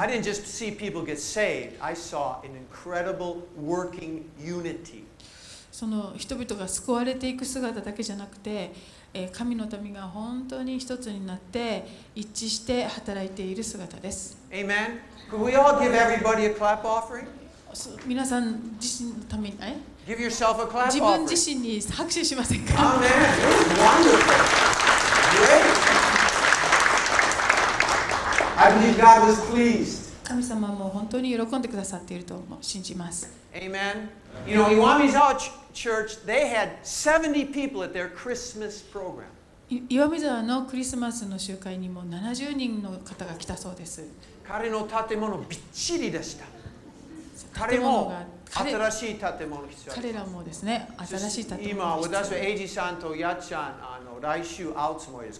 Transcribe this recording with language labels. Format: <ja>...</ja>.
<en>I didn't just see people get saved. I saw an incredible working unity.</en> <ja>その人々が救われていく姿だけじゃなくて、神の民が本当に一つになって一致して働いている姿です。</ja> <en>Amen. Could we all give everybody a clap offering?</en> <ja>皆さん自身のために、え？</ja> <en>Give yourself a clap offering.</en> <ja>自分自身に拍手しませんか？</ja> <en>Amen. Wonderful. Great. I believe God was pleased.</en> <ja>神様も本当に喜んでくださっていると信じます。</ja> <en>Amen. You know, Iwamizawa Church, they had 70 people at their Christmas program.</en> <ja>岩見沢のクリスマスの集会にも70人の方が来たそうです。彼の建物びっちりでした。彼も新しい建物必要です。彼らもですね、新しい建物必要です。今、私はエイジさんとやっちゃん、あの来週会うつもりです。</ja>